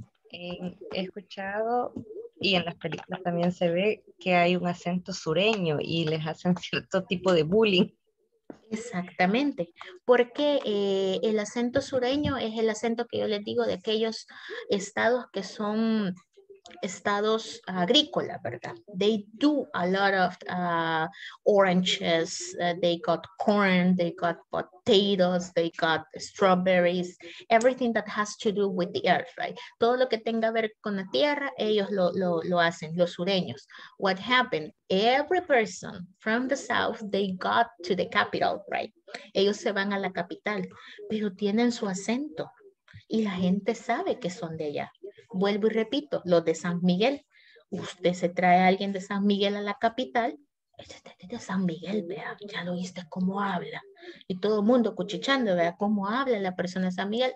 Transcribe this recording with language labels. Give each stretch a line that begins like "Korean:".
Spanish: He escuchado y en las películas también se ve que hay un acento sureño y les hacen cierto tipo de bullying. Exactamente, porque el acento sureño es el acento que yo les digo de aquellos estados que son estados agrícolas, ¿verdad?
English: They do a lot of oranges, they got corn, they got potatoes, they got strawberries, everything that has to do with the earth, right?
Spanish: Todo lo que tenga que ver con la tierra, ellos lo hacen, los sureños.
English: What happened? Every person from the south, they got to the capital, right?
Spanish: Ellos se van a la capital, pero tienen su acento y la gente sabe que son de allá. Vuelvo y repito, los de San Miguel. Usted se trae a alguien de San Miguel a la capital. Este es de San Miguel, vea, ya lo oíste cómo habla. Y todo el mundo cuchicheando, vea cómo habla la persona de San Miguel.